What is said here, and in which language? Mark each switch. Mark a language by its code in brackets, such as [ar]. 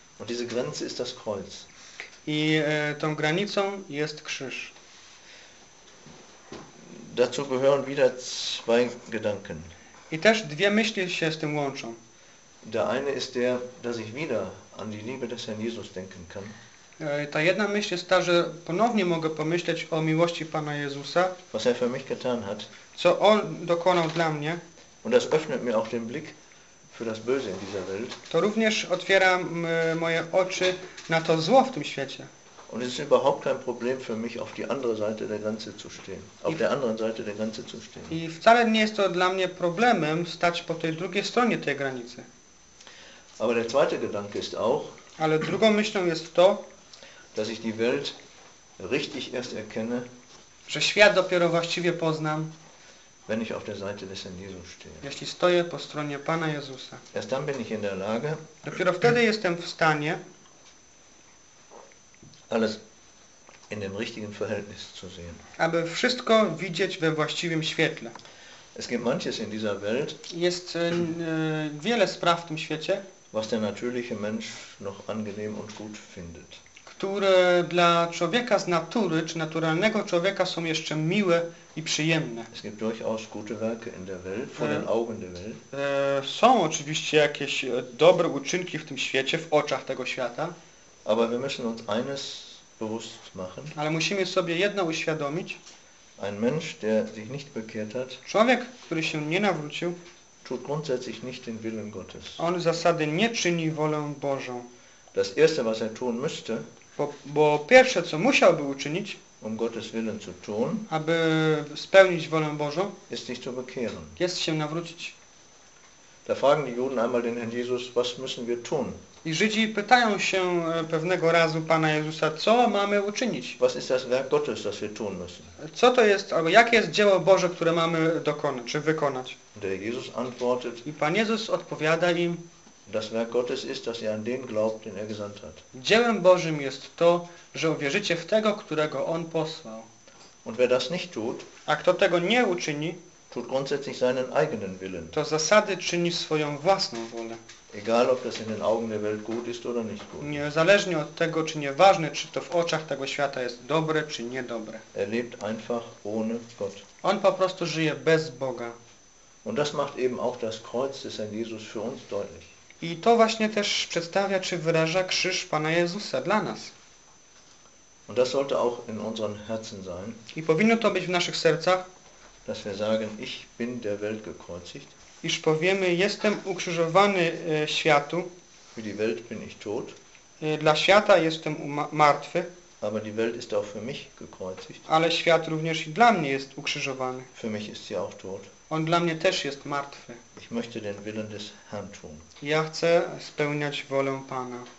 [de] Und diese Grenze ist das Kreuz. [pl] I tą granicą jest krzyż. [de] Dazu gehören wieder zwei Gedanken. [pl] I też dwie myśli się z tym łączą. [de] Der eine ist der, dass ich wieder an die Liebe des Herrn Jesus denken kann. [pl] Ta jedna myśl jest ta, że ponownie mogę pomyśleć o miłości Pana Jezusa, [de] was er für mich getan hat. [pl] Co On dokonał dla mnie. [de] Und das öffnet mir auch den Blick für das Böse in dieser Welt. [pl] To również otwiera moje oczy na to zło w tym świecie. [de] Und es ist überhaupt kein Problem für mich, auf die andere Seite der Grenze zu stehen. Auf der anderen Seite der Grenze zu stehen. [pl] I wcale nie jest to dla mnie problemem stać po tej drugiej stronie tej granicy. [de] Aber der zweite Gedanke ist auch, [pl] ale drugą myślą jest to, [de] dass ich die Welt richtig erst erkenne, [pl] że świat dopiero właściwie poznam, [de] wenn ich auf der Seite des Herrn Jesus stehe. [pl] Jeśli stoję po stronie Pana Jezusa. [de] Erst dann bin ich in der Lage, [pl] dopiero wtedy jestem w stanie [de] alles in dem richtigen Verhältnis zu sehen. [pl] Aby wszystko widzieć we właściwym świetle. [de] Es gibt manches in dieser Welt, [pl] jest wiele spraw w tym świecie, [de] was der natürliche Mensch noch angenehm und gut findet. [pl] Które dla człowieka z natury, czy naturalnego człowieka są jeszcze miłe i przyjemne. [de] Es gibt durchaus gute Werke in der Welt, vor den Augen der Welt. [pl] Są oczywiście jakieś dobre uczynki w tym świecie, w oczach tego świata. [de] Aber wir müssen uns eines bewusst machen. [pl] Ale musimy sobie jedno uświadomić. [de] Ein Mensch, der sich nicht bekehrt hat, [pl] człowiek, który się nie nawrócił, [de] tut grundsätzlich nicht den Willen Gottes. [pl] On zasady nie czyni wolę Bożą. [de] Das erste, was er tun müsste, [pl] bo pierwsze, co musiałby uczynić, [de] um Gottes Willen zu tun, [pl] aby spełnić wolę Bożą, [de] ist sich zu bekehren. [pl] Jest się nawrócić. [de] Da fragen die Juden einmal den Herrn Jesus, was müssen wir tun? [pl] I Żydzi pytają się pewnego razu Pana Jezusa, co mamy uczynić? [de] Was ist das Werk Gottes, das wir tun müssen? [pl] Co to jest, albo jakie jest dzieło Boże, które mamy dokonać, czy wykonać? [de] Der Jesus antwortet, [pl] i Pan Jezus odpowiada im, [de] das Werk Gottes ist, dass ihr an den glaubt, den er gesandt hat. [pl] Dziełem Bożym jest to, że uwierzycie w tego, którego On posłał. [de] Und wer das nicht tut, [pl] a kto tego nie uczyni, [de] tut grundsätzlich seinen eigenen Willen. [pl] To zasady czyni swoją własną wolę. [de] Egal, ob das in den Augen der Welt gut ist oder nicht gut. [pl] Niezależnie od tego, czy nieważne, czy to w oczach tego świata jest dobre, czy niedobre. [de] Er lebt einfach ohne Gott. [pl] On po prostu żyje bez Boga. [de] Und das macht eben auch das Kreuz des Herrn Jesus für uns deutlich. [pl] I to właśnie też przedstawia czy wyraża krzyż Pana Jezusa dla nas. [de] Und das sollte auch in unseren Herzen sein. [pl] I powinno to być w naszych sercach. [de] Dass wir sagen, ich bin der Welt gekreuzigt. [pl] Iż powiemy, jestem ukrzyżowany światu. [de] Für die Welt bin ich tot. [pl] Dla świata jestem martwy. [de] Aber die Welt ist auch für mich gekreuzigt. [pl] Ale świat również i dla mnie jest ukrzyżowany. [de] Für mich ist sie auch tot. [pl] On dla mnie też jest martwy. [de] Ich möchte den Willen des Herrn tun. [pl] Ja chcę spełniać wolę Pana.